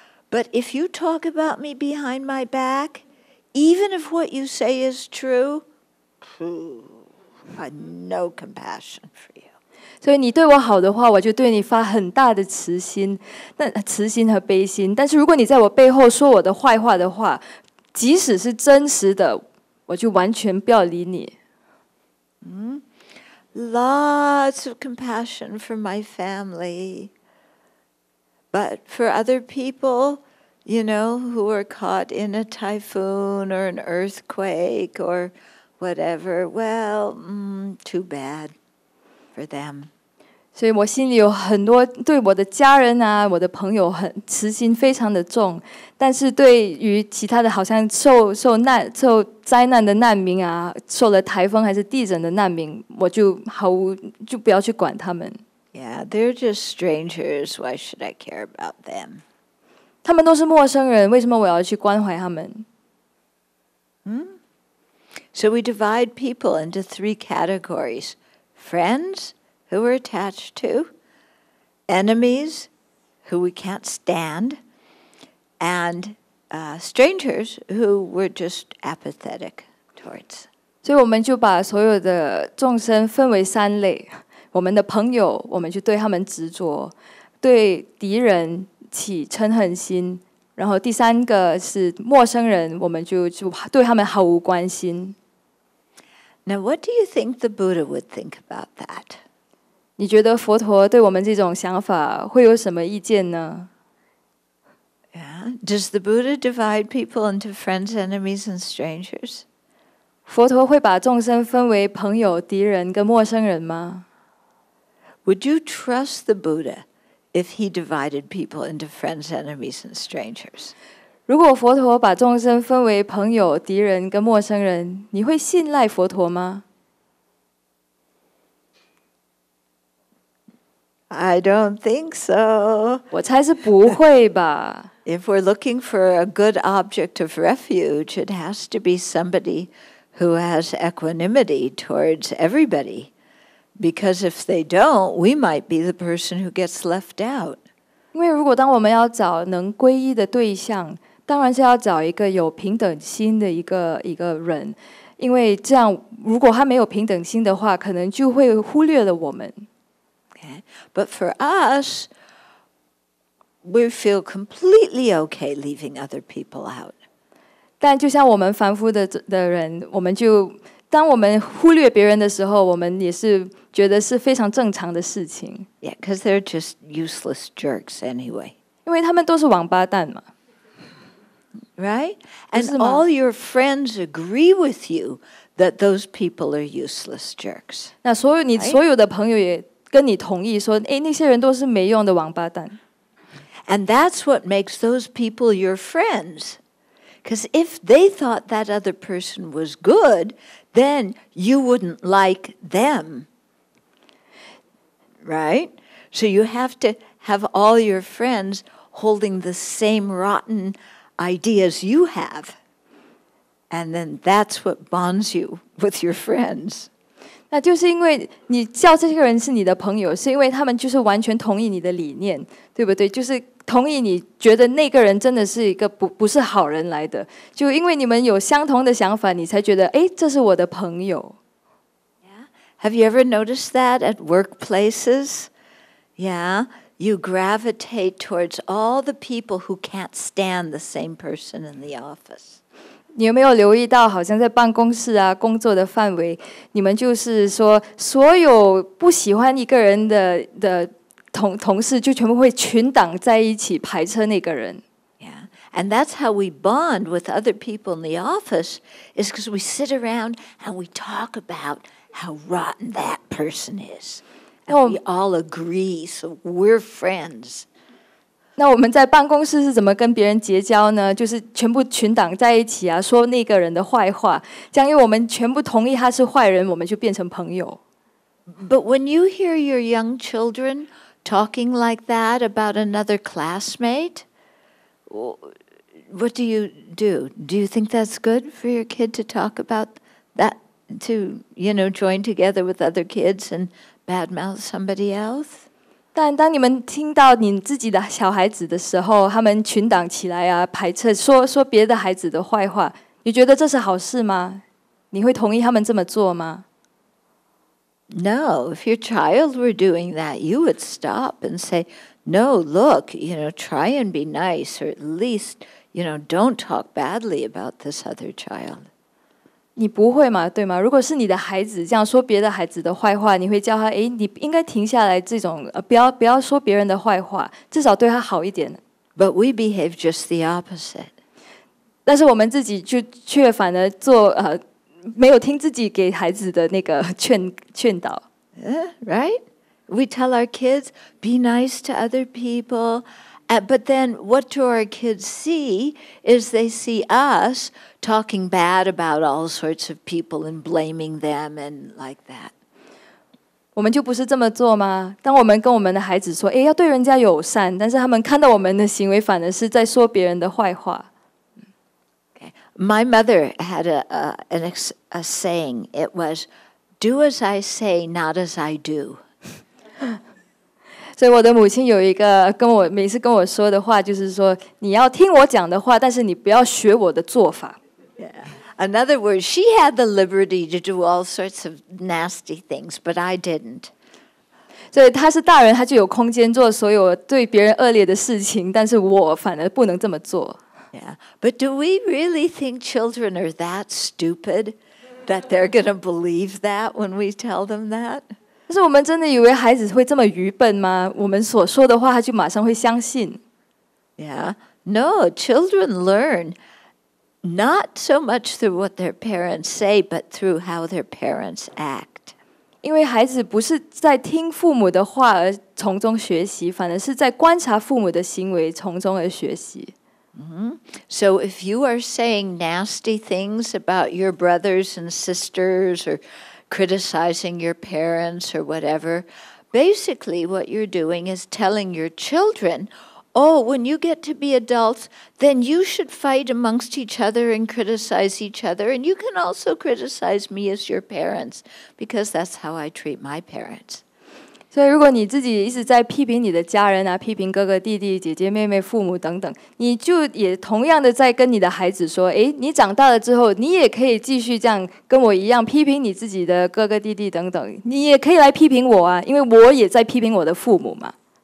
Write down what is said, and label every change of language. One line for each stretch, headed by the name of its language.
English: But if you talk about me behind my back, even if what you say is true, I have no compassion for you.
Chinese: 所以你对我好的话，我就对你发很大的慈心，那慈心和悲心。但是如果你在我背后说我的坏话的话，即使是真实的，我就完全不要理你。
English: Lots of compassion for my family, but for other people, you know, who are caught in a typhoon or an earthquake or whatever, well, too bad. For them.
Chinese: 所以我心里有很多对我的家人啊，我的朋友很慈心非常的重，但是对于其他的好像受灾难的难民啊，受了台风还是地震的难民，我就毫无就不要去管他们。
English: Yeah, they're just strangers. Why should I care about them?
Chinese: 他们都是陌生人，为什么我要去关怀他们？
English: So we divide people into three categories. Friends, who we're attached to. Enemies, who we can't stand. And strangers, who we're just apathetic towards.
Chinese: 所以我们就把所有的众生分为三类。我们的朋友，我们就对他们执着，对敌人起嗔恨心，然后第三个是陌生人，我们就对他们毫无关心。
English: Now, what do you think the Buddha would think about that?
Chinese: 你觉得佛陀对我们这种想法会有什么意见呢？
English: Yeah. Does the Buddha divide people into friends, enemies, and strangers?
Chinese: 佛陀会把众生分为朋友、敌人跟陌生人吗？
English: Would you trust the Buddha if he divided people into friends, enemies, and strangers?
Chinese: 如果佛陀把众生分为朋友、敌人跟陌生人，你会信赖佛陀吗？
English: I don't think so.
Chinese: 我猜是不会吧。
English: If we're looking for a good object of refuge, it has to be somebody who has equanimity towards everybody. Because if they don't, we might be the person who gets left out.
Chinese: 因为如果当我们要找能皈依的对象，当然是要找一个有平等心的一个人，因为这样如果他没有平等心的话，可能就会忽略了我们。
English: Okay. But for us, we feel completely okay leaving other people out.
Chinese: 但就像我们凡夫的人，我们就当我们忽略别人的时候，我们也是觉得是非常正常的事情。
English: Yeah, because they're just useless jerks anyway.
Chinese: 因为他们都是王八蛋嘛。
English: Right? And all your friends agree with you that those people are useless jerks.
Chinese: 那所有你所有的朋友也跟你同意说，哎，那些人都是没用的王八蛋。
English: And that's what makes those people your friends. Because if they thought that other person was good, then you wouldn't like them. Right? So you have to have all your friends holding the same rotten ideas you have, and then that's what bonds you with your friends.
Chinese: 那就是因为你叫这些人是你的朋友，是因为他们就是完全同意你的理念，对不对？就是同意你觉得那个人真的是一个不是好人来的，就因为你们有相同的想法，你才觉得哎，这是我的朋友。
English: Yeah. Have you ever noticed that at workplaces? Yeah. You gravitate towards all the people who can't stand the same person in the office.
Chinese: 你有没有留意到，好像在办公室啊，工作的范围，你们就是说，所有不喜欢一个人的同事，就全部会群党在一起排斥那个人。
English: Yeah, and that's how we bond with other people in the office is because we sit around and we talk about how rotten that person is. And we all agree, so we're friends.
Chinese: 那我们在办公室是怎么跟别人结交呢？就是全部群党在一起啊，说那个人的坏话，这样因为我们全部同意他是坏人，我们就变成朋友。
English: But when you hear your young children talking like that about another classmate, what do you do? Do you think that's good for your kid to talk about that, to, you know, join together with other kids and... Badmouth somebody else.
Chinese: 但当你们听到你自己的小孩子的时候，他们群党起来啊，排斥说别的孩子的坏话，你觉得这是好事吗？你会同意他们这么做吗？
English: No. If your child were doing that, you would stop and say, "No, look, you know, try and be nice, or at least, you know, don't talk badly about this other child."
Chinese: 你不会嘛，对吗？如果是你的孩子这样说别的孩子的坏话，你会叫他，哎，你应该停下来这种，不要说别人的坏话，至少对他好一点。
English: But we behave just the opposite.
Chinese: 但是我们自己就却反而做，没有听自己给孩子的那个劝导。
English: Yeah, right? We tell our kids, be nice to other people. But then what do our kids see is they see us,talking bad about all sorts of people and blaming them and like that.
Chinese: 我们就不是这么做吗？当我们跟我们的孩子说，哎，要对人家友善，但是他们看到我们的行为，反而是在说别人的坏话。
English: Okay. My mother had a saying. It was, "Do as I say, not as I do."
Chinese: 所以我的母亲有一个跟我每次跟我说的话，就是说你要听我讲的话，但是你不要学我的做法。
English: In other words, she had the liberty to do all sorts of nasty things, but I didn't.
Chinese: 所以她是大人，她就有空间做所有对别人恶劣的事情，但是我反而不能这么做。
English: Yeah. But do we really think children are that stupid that they're going to believe that when we tell them that?
Chinese: 但是我们真的以为孩子会这么愚笨吗？我们所说的话，他就马上会相信。
English: Yeah. No, children learn. Not so much through what their parents say, but through how their parents act.
Chinese: 因为孩子不是在听父母的话而从中学习，反而是在观察父母的行为从中而学习。 Mm-hmm.
English: So if you are saying nasty things about your brothers and sisters or criticizing your parents or whatever, basically what you're doing is telling your children,Oh, when you get to be adults, then you should fight amongst each other and criticize each other. And you can also criticize me as your parents, because that's how I treat my parents.
Chinese: 所以如果你自己一直在批评你的家人啊，批评哥哥弟弟、姐姐妹妹、父母等等，你就也同样的在跟你的孩子说，诶，你长大了之后，你也可以继续这样跟我一样批评你自己的哥哥弟弟等等，你也可以来批评我啊，因为我也在批评我的父母嘛。